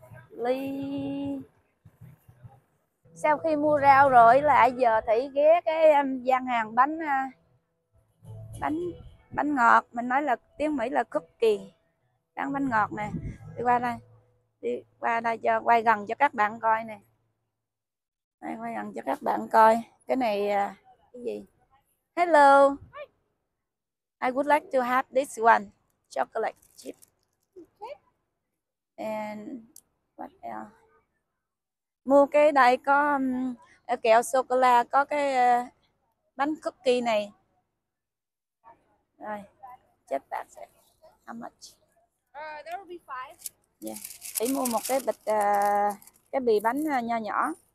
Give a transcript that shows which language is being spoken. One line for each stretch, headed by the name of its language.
Vietnamese: ly. Sau khi mua rau rồi lại giờ thì ghé cái gian hàng bánh bánh bánh ngọt, mình nói là tiếng Mỹ là cookie, bán bánh ngọt nè. Đi qua đây, đi qua đây cho quay gần cho các bạn coi nè. Đây, quay gần cho các bạn coi cái này cái gì.
English: Hello, I would like to have this one chocolate chip. Okay. And what else?
Vietnamese: Mua cái này có kẹo sô cô la, có cái bánh cookie này. Rồi, chết tạt rồi.
English: How much? There will be five. Yeah.
Vietnamese: Chỉ mua một cái bịch cái bì bánh nho nhỏ.